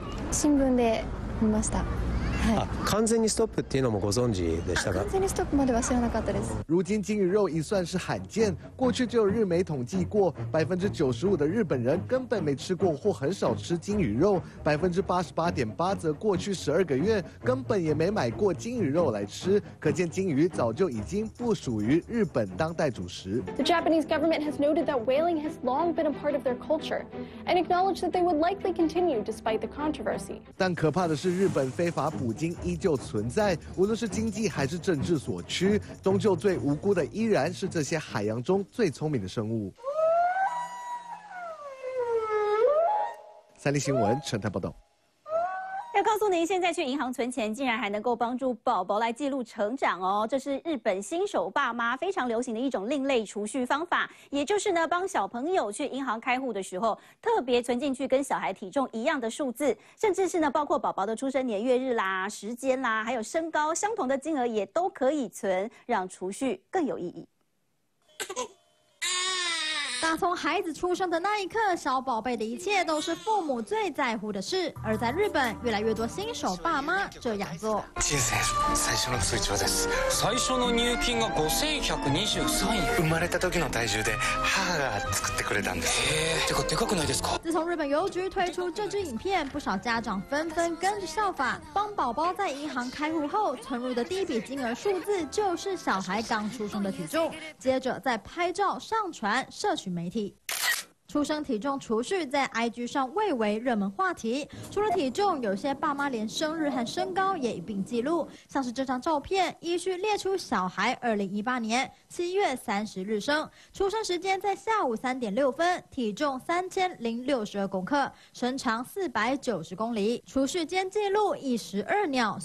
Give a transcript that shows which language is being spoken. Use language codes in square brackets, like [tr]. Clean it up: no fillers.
[ja] 新聞で見ました。啊，完全にストップっていうのもご存知でしたか？完全にストップまでは知らなかったです。 [zh] 如今鲸鱼肉已算是罕见，过去就有日媒统计过，95%的日本人根本没吃过或很少吃鲸鱼肉，88.8%则过去12个月根本也没买过鲸鱼肉来吃，可见鲸鱼早就已经不属于日本当代主食。 [en] The Japanese government has noted that whaling has long been a part of their culture, and acknowledged that they would likely continue despite the controversy. [zh] 但可怕的是，日本非法捕鲸依旧存在，无论是经济还是政治所趋，终究最无辜的依然是这些海洋中最聪明的生物。三立新闻陈太报道。要告诉您，现在去银行存钱竟然还能够帮助宝宝来记录成长哦，这是日本新手爸妈非常流行的一种另类储蓄方法，也就是呢帮小朋友去银行开户的时候特别存进去跟小孩体重一样的数字，甚至是呢包括宝宝的出生年月日啦、时间啦，还有身高相同的金额也都可以存，让储蓄更有意义。打从孩子出生的那一刻，小宝贝的一切都是父母最在乎的事。而在日本，越来越多新手爸妈这样做。 [ja] 人生最初の通帳です。最初の入金が5123円。生まれた時の体重で母が作ってくれたんです。てかでかくないですか？ [zh] 自从日本邮局推出这支影片，不少家长纷纷跟着效法，帮宝宝在银行开户后存入的第一笔金额数字就是小孩刚出生的体重，接着再拍照上传社群。媒体出生体重储蓄在 IG 上蔚为热门话题，除了体重，有些爸妈连生日和身高也一并记录，像是这张照片依序列出小孩2018年7月30日生，出生时间在下午3点6分，体重3062公克，身长490公里，储蓄间记录12秒。